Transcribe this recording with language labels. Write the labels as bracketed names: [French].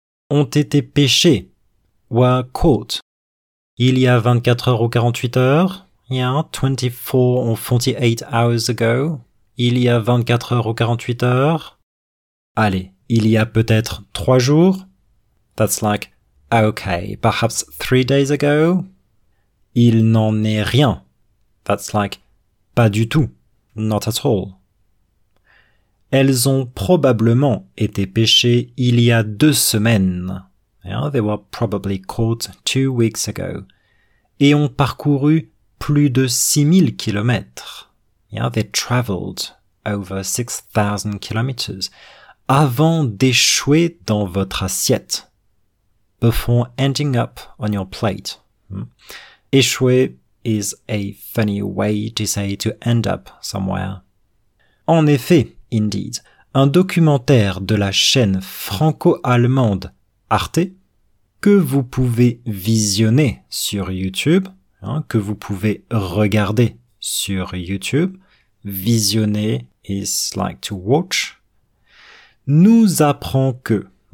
[French] ont été pêchées, [English] were caught, [French] il y a 24 heures ou 48 heures, [English] yeah, 24 or 48 hours ago, [French] il y a 24 heures ou 48 heures, allez, il y a peut-être 3 jours, [English] that's like, okay, perhaps 3 days ago, [French] il n'en est rien, [English] that's like, [French] pas du tout, [English] not at all. [French] Elles ont probablement été pêchées il y a 2 semaines. [English] Yeah, they were probably caught 2 weeks ago. [French] Et ont parcouru plus de 6000 kilomètres. [English] Yeah, they traveled over 6000 kilometers [French] avant d'échouer dans votre assiette. [English] Before ending up on your plate. Échouer is a funny way to say to end up somewhere. [French] En effet, [English] indeed, [French] un documentaire de la chaîne franco-allemande Arte, que vous pouvez visionner sur YouTube, hein, que vous pouvez regarder sur YouTube, [English] visionner is like to watch, [French] nous apprend que,